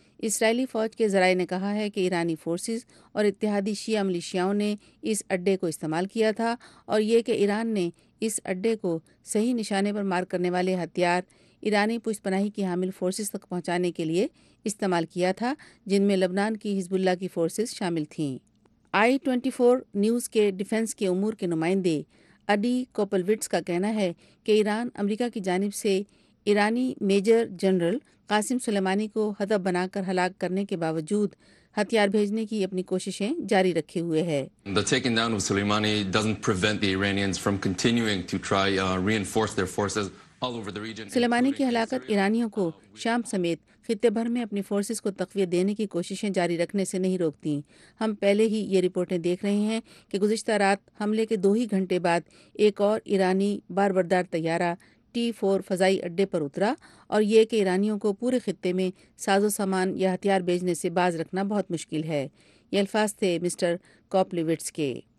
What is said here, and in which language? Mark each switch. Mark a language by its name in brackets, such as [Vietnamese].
[Urdu] اسرائیلی فوج کے ذرائع نے کہا ہے کہ ایرانی فورسز اور اتحادی شیعہ ملیشیاؤں نے اس اڈے کو استعمال کیا تھا، اور یہ کہ ایران نے اس اڈے کو صحیح نشانے پر مار کرنے والے ہتھیار ایرانی پشت پناہی کی حامل فورسز تک پہنچانے کے لیے استعمال کیا تھا، جن میں لبنان کی حزب اللہ کی فورسز شامل تھیں۔ I24 نیوز کے ڈیفنس کے امور کے نمائندے اڈی کوپلوٹس کا کہنا ہے کہ ایران امریکہ کی جانب سے ایرانی میجر جنرل قاسم سلیمانی کو ہدف بنا کر ہلاک کرنے کے باوجود ہتھیار بھیجنے کی اپنی کوششیں جاری رکھے ہوئے ہے۔ [English] The taking down of Soleimani doesn't prevent the Iranians from continuing to try reinforce their forces all over the region. [Urdu] سلیمانی کی ہلاکت ایرانیوں کو شام سمیت خطے بھر میں اپنی فورسز کو تقویت دینے کی کوششیں جاری رکھنے سے نہیں روکتی۔ ہم پہلے ہی یہ رپورٹیں دیکھ رہے ہیں کہ گزشتہ رات حملے کے 2 ہی گھنٹے بعد ایک اور ایرانی باربردار طیارہ T-4 فضائی اڈے پر اترا، اور یہ کہ ایرانیوں کو پورے خطے میں ساز و سامان یا ہتھیار بھیجنے سے باز رکھنا بہت مشکل ہے۔ یہ الفاظ تھے مسٹر کوپلوٹس کے۔